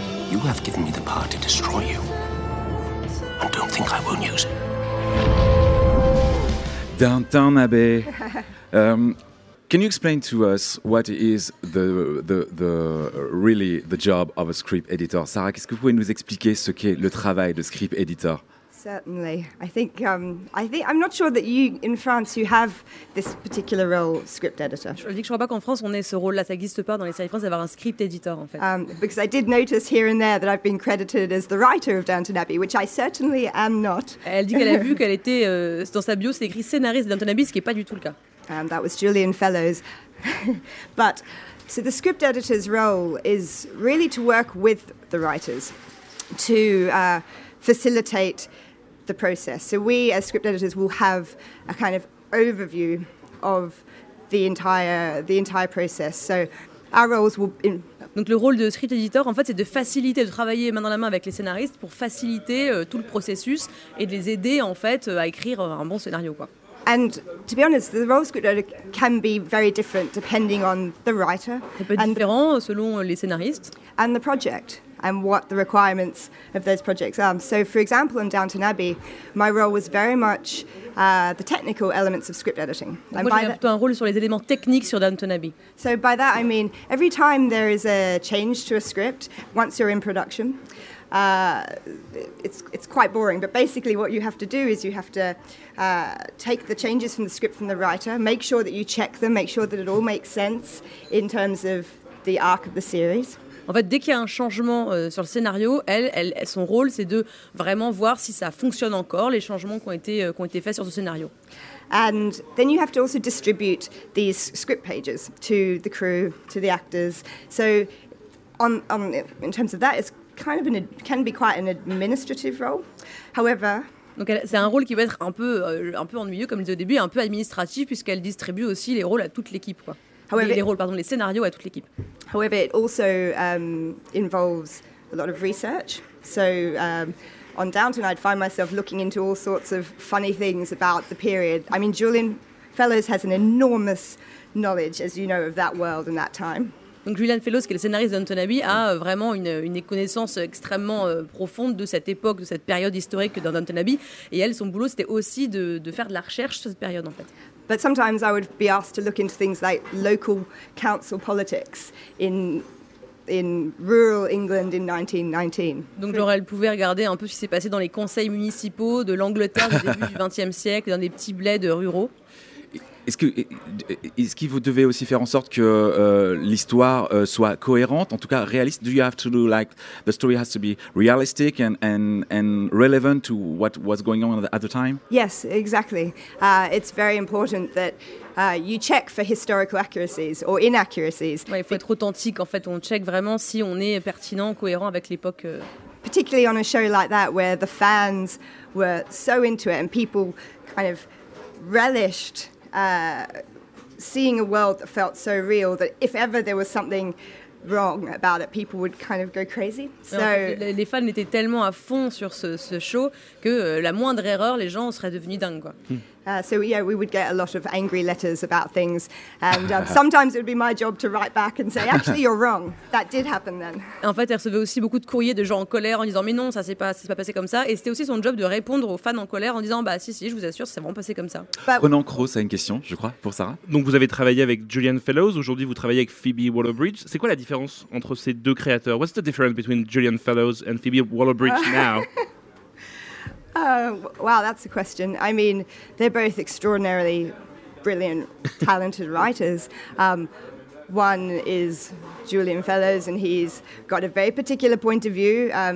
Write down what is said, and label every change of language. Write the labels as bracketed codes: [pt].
[en] You have given me the power to destroy you. And don't think I won't use it. Downton Abbey. Can you explain to us what is the really the job of a script editor? [fr] Sarah, qu'est-ce que vous pouvez nous expliquer ce qu'est le travail de script editor? [en] Certainly. I think I'm not sure that you in France you have this particular role, script editor. [fr] Je dis que je crois pas qu'en France on ait ce rôle-là. Ça n'existe pas dans les séries françaises d'avoir un script editor en fait. [en] Because I did notice here and there that I've been credited as the writer of Downton Abbey, which I certainly am not. [fr] Elle dit qu'elle a vu qu'elle était dans sa bio, c'est écrit scénariste de Downton Abbey, ce qui est pas du tout le cas. [en] That was Julian Fellowes, but so the script editor's role is really to work with the writers to facilitate the process. So we as script editors will have a kind of overview of the entire process. So our roles will in... [fr] Donc le rôle de script editor en fait c'est de faciliter, de travailler main dans la main avec les scénaristes pour faciliter tout le processus et de les aider en fait à écrire un bon scénario quoi. [en] And to be honest, the role of script editor can be very different depending on the writer. [fr] Ça peut être différent selon les scénaristes. [en] And the project. And what the requirements of those projects are. So, for example, in Downton Abbey, my role was very much the technical elements of script editing. [fr] Donc moi, j'avais plutôt un rôle sur les éléments techniques sur Downton Abbey. [en] So, by that, I mean every time there is a change to a script, once you're in production, it's quite boring. But basically, what you have to do is you have to take the changes from the script from the writer, make sure that you check them, make sure that it all makes sense in terms of the arc of the series. [fr] En fait, dès qu'il y a un changement sur le scénario, elle, son rôle, c'est de vraiment voir si ça fonctionne encore, les changements qui ont été faits sur ce scénario. [en] And then you have to also distribute these script pages to the crew, to the actors. So, in terms of that, it's kind of can be quite an administrative role. However, [fr] donc c'est un rôle qui va être un peu ennuyeux, comme je disais au début, un peu administratif, puisqu'elle distribue aussi les rôles à toute l'équipe, quoi. Les scénarios à toute l'équipe. [en] However, it also involves a lot of research. So on Downton, I'd find myself looking into all sorts of funny things about the period. I mean, Julian Fellowes has an enormous knowledge, as you know, of that world and that time. [fr] Donc Julian Fellowes, qui est le scénariste de Downton Abbey, a vraiment une connaissance extrêmement profonde de cette époque, de cette période historique dans Downton Abbey. Et elle, son boulot, c'était aussi de faire de la recherche sur cette période, en fait. [en] But sometimes I would be asked to look into things like local council politics in rural England in 1919. [fr] Donc genre elle pouvait regarder un peu ce qui s'est passé dans les conseils municipaux de l'Angleterre du début du XXe siècle, dans des petits bleds ruraux. Est-ce que vous devez aussi faire en sorte que l'histoire soit cohérente, en tout cas réaliste? [en] Do you have to do like the story has to be realistic and relevant to what was going on at the time? Yes, exactly. It's very important that you check for historical accuracies or inaccuracies. [fr] Ouais, il faut être authentique. En fait, on check vraiment si on est pertinent, cohérent avec l'époque. [en] Particularly on a show like that where the fans were so into it and people kind of relished seeing a world that felt so real that if ever there was something wrong about it, people would kind of go crazy. [fr] So les fans étaient tellement à fond sur ce show que la moindre erreur, les gens seraient devenus dingues, quoi. [en] So yeah, we would get a lot of angry letters about things, and sometimes it would be my job to write back and say, actually, you're wrong. That did happen then. [fr] En fait, elle recevait aussi beaucoup de courriers de gens en colère en disant, mais non, ça s'est pas passé comme ça. Et c'était aussi son job de répondre aux fans en colère en disant, bah si, je vous assure, ça s'est vraiment passé comme ça. Renan Cros a une question, je crois, pour Sarah. Donc vous avez travaillé avec Julian Fellowes. Aujourd'hui, vous travaillez avec Phoebe Waller-Bridge. C'est quoi la différence entre ces deux créateurs? [en] What's the difference between Julian Fellowes and Phoebe Waller-Bridge now? Wow, that's a question. I mean, they're both extraordinarily brilliant, talented writers. One is Julian Fellowes, and he's got a very particular point of view.